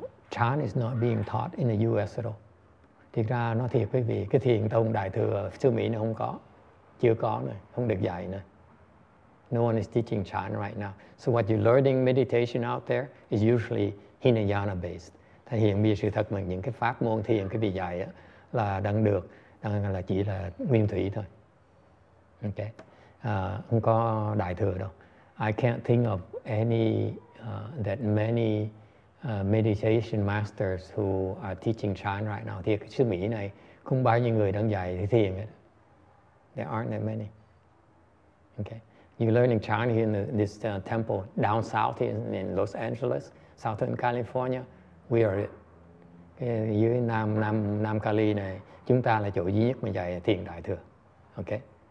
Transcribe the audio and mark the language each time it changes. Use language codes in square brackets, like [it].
[en] Chan is not being taught in the U.S. at all. [vi] Thực ra nó thiệt quý vị, cái thiền tông đại thừa xứ Mỹ nó không có, chưa có nữa, không được dạy nữa. [en] No one is teaching Chan right now. So what you're learning meditation out there is usually Hinayana based. [vi] Thì hiện bây giờ sự thật mà những cái pháp môn thiền quý vị dạy á, là đang được, đang là chỉ là nguyên thủy thôi. Okay. Không có đại thừa đâu. [en] I can't think of any that many meditation masters who are teaching Chan right now. [vi] Thì cái xứ Mỹ này không bao nhiêu người đang dạy thiền hết. [en] There aren't that many. Okay. You're learning Chan here in this temple down south here in Los Angeles, Southern California. We are it. Okay. [vi] Dưới Nam Cali này, chúng ta là chỗ duy nhất mà dạy thiền đại thừa. Okay.